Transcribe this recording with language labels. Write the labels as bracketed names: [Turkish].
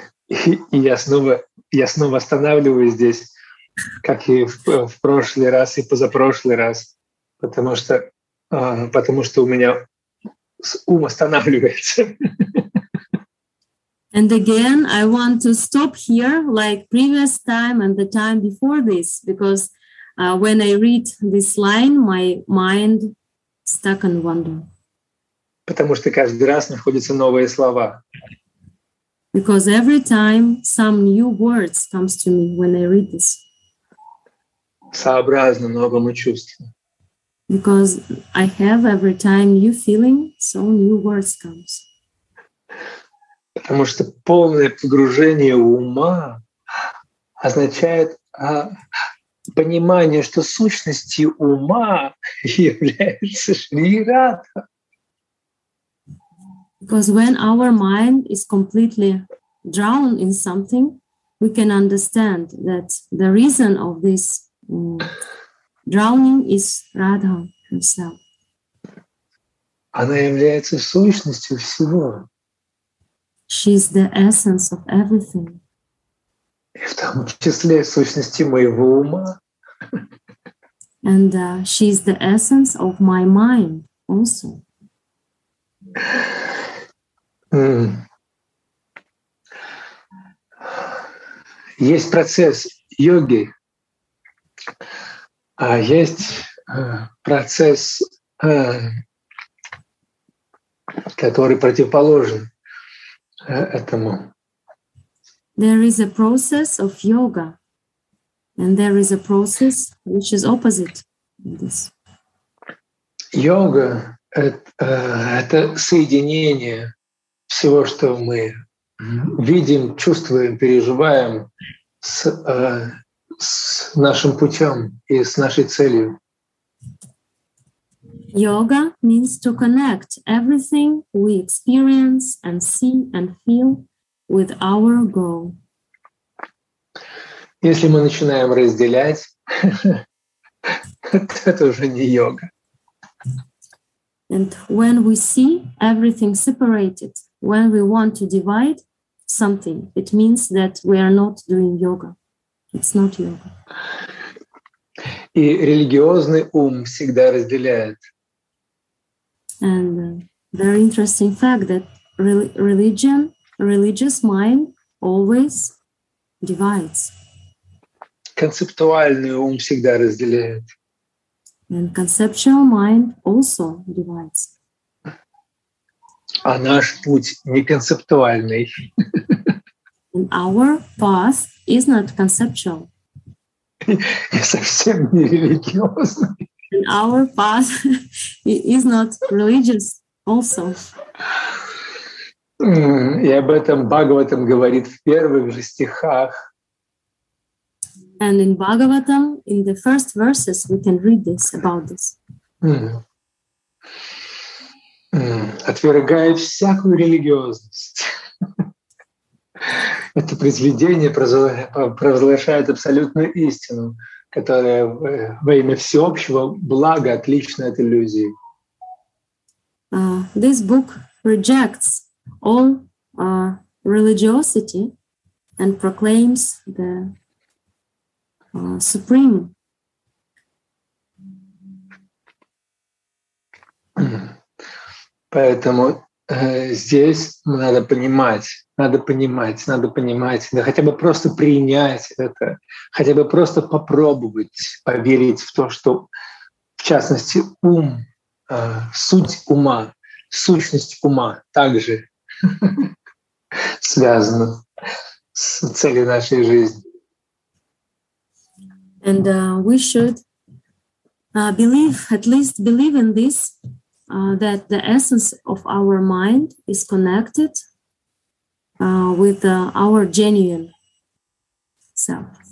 [Russian] И я снова останавливаюсь здесь, как и в прошлый раз, и позапрошлый раз, потому что у меня ум останавливается. [English] And again, I want to stop here, like previous time and the time before this, because when I read this line, my mind stuck and wonder. [Russian] Потому что каждый раз находятся новые слова. [English] Because every time some new words comes to me when I read this. [Russian] Сообразно новому чувству. [English] Because I have every time new feeling, so new words comes. [Russian] Потому что полное погружение ума означает понимание, что сущности ума являются Шри-Радха. [English] Because when our mind is completely drowned in something, we can understand that the reason of this drowning is Radha herself. [Russian] Она является сущностью всего. [English] She's the essence of everything. [Russian] И в том числе сущности моего ума. [English] And she's the essence of my mind also. [Russian] Есть процесс йоги, а есть процесс, который противоположен этому. [English] There is a process of yoga, and there is a process which is opposite this. [Russian] Йога — это соединение всего, что мы видим, чувствуем, переживаем с нашим путем и с нашей целью. [English] Yoga means to connect everything we experience and see and feel with our goal. [Russian] Если мы начинаем разделять, это уже не йога. [English] And when we see everything separated, when we want to divide something, it means that we are not doing yoga. It's not yoga. [Russian] И религиозный ум всегда разделяет. [English] And very interesting fact that religious mind always divides. [Russian] Концептуальный ум всегда разделяет. [English] And conceptual mind also divides. [Russian] А наш путь не концептуальный. [English] And our path is not conceptual. [Russian] И совсем не религиозный. [English] And our path is not religious also. [Russian] И об этом Бхагаватам говорит в первых же стихах. [English] And in Bhagavatam, in the first verses, we can read this about this. [Russian] Отвергает всякую религиозность. Это произведение провозглашает абсолютную истину, которая во имя всеобщего блага отлична от иллюзии. [English] This book rejects all religiosity and proclaims the supreme. [Russian] Поэтому здесь надо понимать, да хотя бы просто принять это, хотя бы просто попробовать поверить в то, что, в частности, ум, суть ума, сущность ума также связана с целью нашей жизни. [English] And we should believe, at least believe in this, that the essence of our mind is connected with our genuine self.